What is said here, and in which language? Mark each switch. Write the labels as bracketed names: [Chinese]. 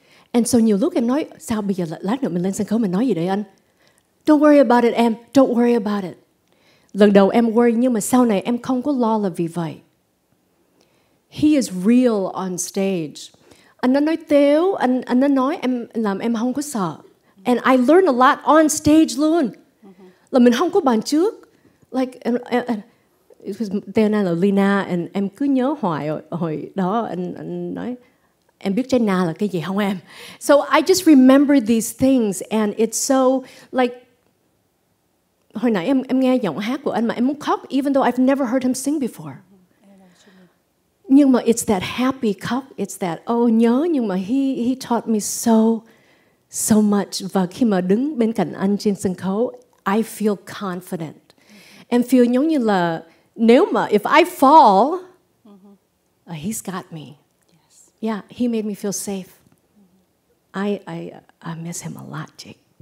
[Vietnamese] And so nhiều lúc em nói, sao bây giờ lát nữa mình lên sân khấu mình nói gì đấy anh? [English] Don't worry about it em, don't worry about it. [Vietnamese] Lần đầu em worry, nhưng mà sau này em không có lo là vì vậy. He is real on stage. Anh nói tếu, anh nói em làm em không có sợ. [English] And I learn a lot on stage luôn. [Vietnamese] Là mình không có bàn trước. Like, it was Tena là Lina, and em cứ nhớ hoài hồi đó, anh nói, em biết Tena là cái gì không em? [English] So I just remember these things, and it's so, like, hồi nãy em nghe giọng hát của anh mà em muốn khóc, even though I've never heard him sing before. Nhưng mà it's that happy khóc, it's that, oh, nhớ, nhưng mà he taught me so much. [Vietnamese] Và khi mà đứng bên cạnh anh trên sân khấu, I feel confident. [English] Em feel giống như là nếu mà if I fall, he's got me. Yes. Yeah, he made me feel safe. I miss him a lot, Jake.